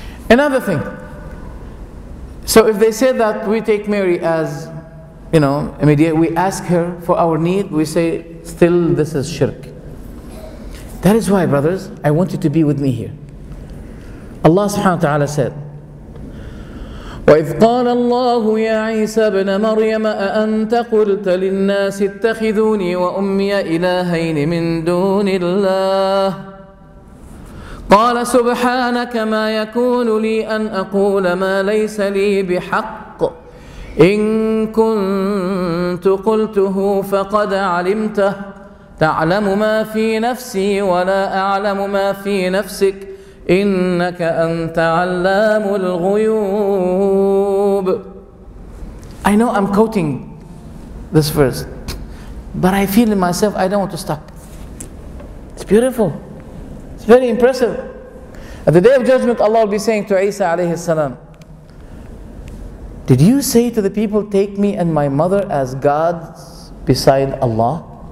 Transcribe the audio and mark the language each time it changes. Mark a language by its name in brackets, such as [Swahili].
[English] Another thing. So if they say that we take Mary as, you know, immediately we ask her for our need, we say, still this is shirk. That is why, brothers, I want you to be with me here. Allah subhanahu wa ta'ala said, [Arabic] وَإِذْ قَالَ اللَّهُ يَا عِيسَى بْنَ مَرْيَمَ أَأَنْتَ قُلْتَ لِلنَّاسِ اتَّخِذُونِي وَأُمِّيَ إِلَهَيْنِ مِن دُونِ اللَّهِ قَالَ سُبْحَانَكَ مَا يَكُونُ لِي أَنْ أَقُولَ مَا لَيْسَ لِي بِحَقٍّ إن كنت قلته فقد علمته تعلم ما في نفسي ولا أعلم ما في نفسك إنك أنت علام الغيوب. [English] I know I'm quoting this verse, but I feel in myself I don't want to stop. It's beautiful. It's very impressive. At the day of judgment, Allah will be saying to Isa alayhi salam, did you say to the people, take me and my mother as gods beside Allah?